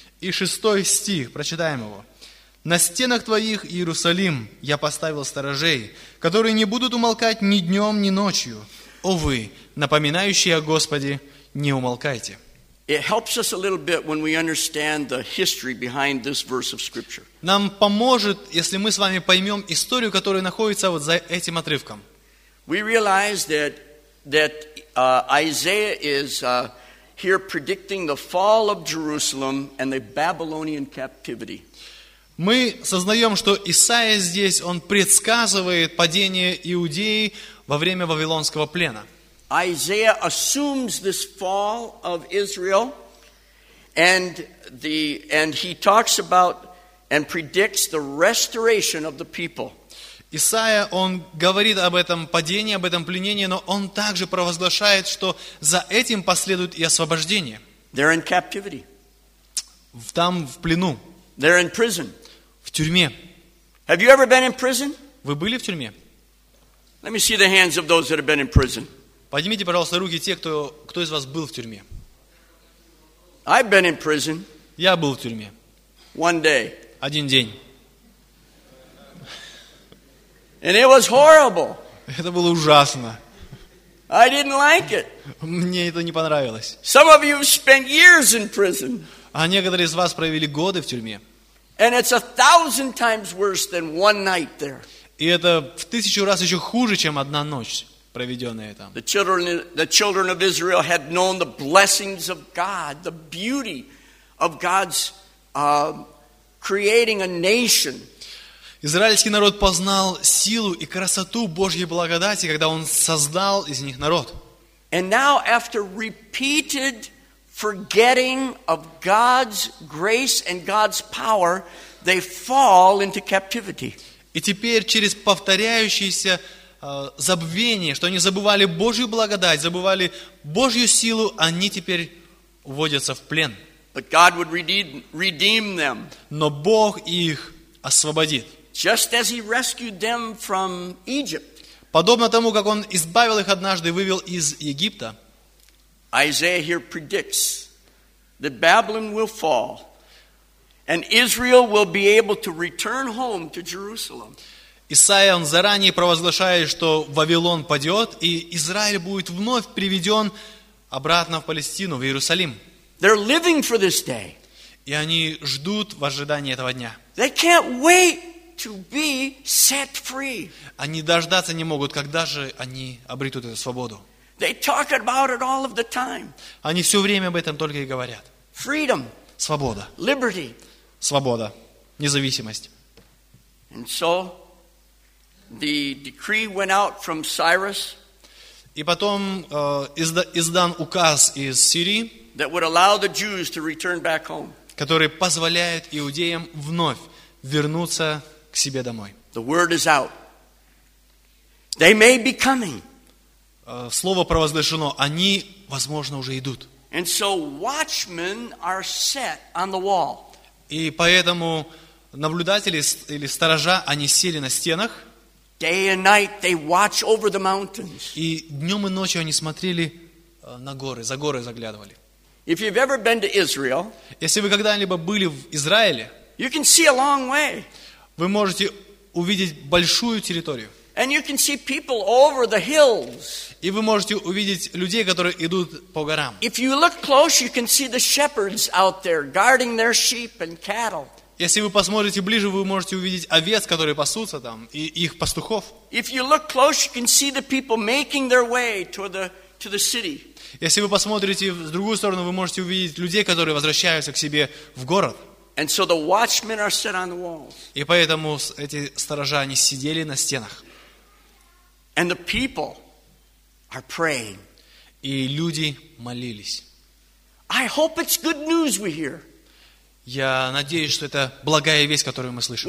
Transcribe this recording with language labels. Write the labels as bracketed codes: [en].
[ru] И шестой стих, прочитаем его. На стенах твоих, Иерусалим, я поставил сторожей, которые не будут умолкать ни днем, ни ночью. О вы, напоминающие о Господе, не умолкайте. [en] It helps us a little bit when we understand the history behind this verse of scripture. [ru] Нам поможет, если мы с вами поймем историю, которая находится вот за этим отрывком. [en] We realize that Isaiah is here predicting the fall of Jerusalem and the Babylonian captivity. [ru] Мы сознаем, что Исаия здесь, он предсказывает падение Иудеи во время Вавилонского плена. [en] Isaiah assumes this fall of Israel and he talks about and predicts the restoration of the people. [ru] Исаия, он говорит об этом падении, об этом пленении, но он также провозглашает, что за этим последует и освобождение. [en] They're in captivity. [ru] Там в плену. [en] They're in prison. [ru] В тюрьме. [en] Have you ever been in prison? [ru] Вы были в тюрьме? [en] Let me see the hands of those that have been in prison. [ru] Поднимите, пожалуйста, руки те, кто из вас был в тюрьме. [en] I've been in prison. [ru] Я был в тюрьме. [en] One day. [ru] Один день. [en] And it was horrible. [ru] Это было ужасно. [en] I didn't like it. [ru] Мне это не понравилось. [en] Some of you spent years in prison. [ru] А некоторые из вас провели годы в тюрьме. [en] And it's 1,000 times worse than one night there. [ru] И это в 1000 раз еще хуже, чем одна ночь. Проведенные там. [en] The children of Israel had known the blessings of God, the beauty of God's creating a nation. [ru] Израильский народ познал силу и красоту Божьей благодати, когда Он создал из них народ. [en] And now, after repeated forgetting of God's grace and God's power, they fall into captivity. [ru] И теперь через повторяющиеся забвение, что они забывали Божью благодать, забывали Божью силу, они теперь вводятся в плен. [en] But God would redeem them. [ru] Но Бог их освободит. [en] Just as He rescued them from Egypt. [ru] Подобно тому, как Он избавил их однажды, вывел из Египта. [en] Isaiah here predicts that Babylon will fall and Israel will be able to return home to Jerusalem. [ru] Исаия, он заранее провозглашает, что Вавилон падет, и Израиль будет вновь приведен обратно в Палестину, в Иерусалим. [en] They're living for this day. [ru] И они ждут в ожидании этого дня. [en] They can't wait to be set free. [ru] Они дождаться не могут, когда же они обретут эту свободу. [en] They talk about it all of the time. [ru] Они все время об этом только и говорят. [en] Freedom. [ru] Свобода. [en] Liberty. [ru] Свобода. Независимость. [en] And so, the decree went out from Cyrus. [ru] И потом издан указ из Сирии, [en] that would allow the Jews to return back home. [ru] Который позволяет иудеям вновь вернуться к себе домой. [en] The word is out. They may be coming. [ru] Слово провозглашено, они, возможно, уже идут. [en] And so watchmen are set on the wall. [ru] И поэтому наблюдатели или сторожа, они сели на стенах. [en] Day and night they watch over the mountains. [ru] И днем и ночью они смотрели на горы, за горы заглядывали. [en] If you've ever been to Israel, [ru] если вы когда-либо были в Израиле, [en] you can see a long way. [ru] Вы можете увидеть большую территорию. [en] And you can see people over the hills. [ru] И вы можете увидеть людей, которые идут по горам. [en] If you look close, you can see the shepherds out there guarding their sheep and cattle. [ru] Если вы посмотрите ближе, вы можете увидеть овец, которые пасутся там, и их пастухов. [en] If you look close, you can see the people making their way to the city. [ru] Если вы посмотрите в другую сторону, вы можете увидеть людей, которые возвращаются к себе в город. [en] And so the watchmen are set on the walls. [ru] И поэтому эти сторожа, они сидели на стенах. [en] And the people are praying. [ru] И люди молились. [en] I hope it's good news we hear. [ru] Я надеюсь, что это благая весть, которую мы слышим.